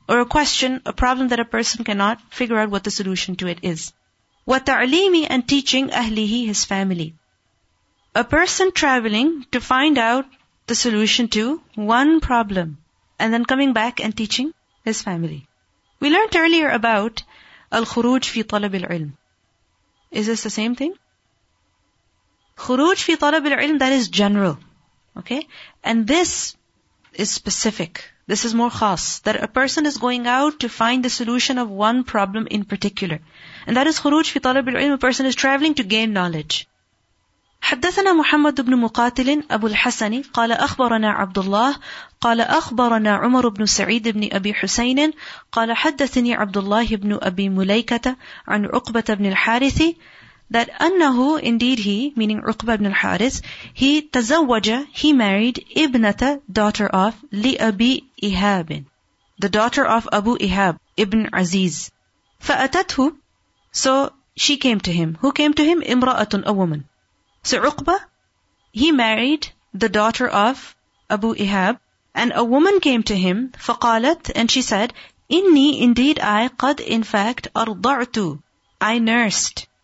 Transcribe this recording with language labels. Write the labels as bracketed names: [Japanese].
[English] Or a question, a problem that a person cannot figure out what the solution to it is. وَتَعْلِيمِ and teaching أَهْلِهِ his family. A person traveling to find out the solution to one problem and then coming back and teaching his family. We learned earlier about [Arabic] الخروج في طلب العلم. [English] Is this the same thing? [Arabic] خروج في طلب العلم, [English] that is general. Okay? And this is specific. This is more khas, that a person is going out to find the solution of one problem in particular. And that is [Arabic] khuruj fi talab al-ilm, [English] a person is traveling to gain knowledge. [Arabic] حدثنا محمد بن مقاتل أبو الحسن قال أخبرنا عبد الله قال أخبرنا عمر بن سعيد بن أبي حسين قال حدثني عبد الله بن أبي مليكة عن عقبة بن الحارث that أنه [English] indeed he, meaning [Arabic] عقبة بن الحارث, he married ابنة [English] daughter of [Arabic] لأبي إهاب, [English] the daughter of Abu Ihab, [Arabic] Ibn Aziz. [English] فأتته, so she came to him. Who came to him? امرأة, a woman. So عقبة, he married the daughter of Abu Ihab, and a woman came to him, فقالت, and she said, إني indeed I, قد in fact, أرضعت, I nursed.